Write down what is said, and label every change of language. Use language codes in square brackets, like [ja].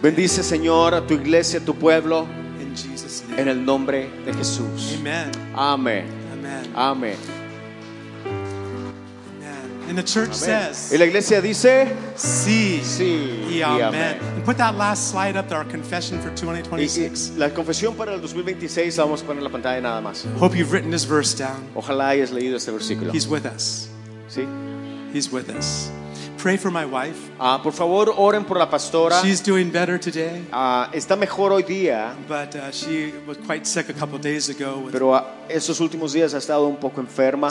[es] Bendice, Señor, a tu iglesia, a tu pueblo. [en] In Jesus' name. [es] En el nombre de Jesús. [en] Amen. [es] Amen. [en] Amen. [es] Amen. [en] And the church says, [es] y la iglesia dice, sí, sí, y amén. [en] And put that last slide up there, our confession for 2026. [es] La confesión para el 2026, vamos a poner la pantalla nada más. [en] Hope you've written this verse down. [es] Ojalá hayas leído este versículo. [en] He's with us. [es] Sí. [en] He's with us. Pray for my wife. [es] Por favor, oren por la pastora. [en] She's doing better today. [es] Está mejor hoy día. [en] But she was quite sick a couple days ago. [es] Pero esos últimos días ha estado un poco enferma.